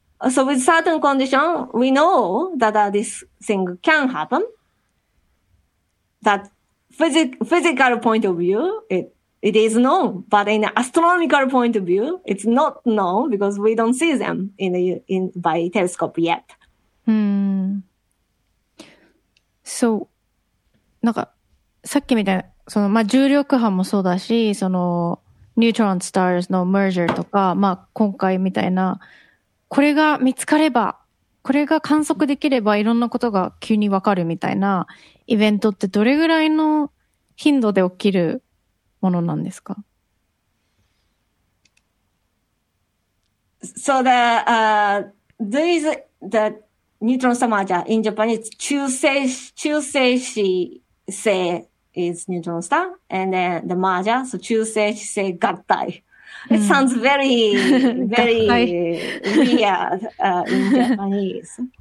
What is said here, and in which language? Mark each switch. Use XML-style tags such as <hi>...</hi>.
<en>So with certain condition, we know that this thing can happen. That physical point of view, it is known, but in an astronomical point of view, it's not known because we don't see them by telescope yet.</en> <ja>So, なんか、さっきみたいな、その、まあ、重力波もそうだし、その、ニュートロンスターズのメージャーとか、まあ、今回みたいな、これが見つかれば、これが観測できれば、いろんなことが急にわかるみたいな、イベントってどれぐらいの頻度で起きるものなんですか?</ja> <en>So the neutron star merger in Japan is Chūsei-shi is neutron star, and then the merger, so Chūsei-shi gattai. It sounds very, very weird in Japanese.</en>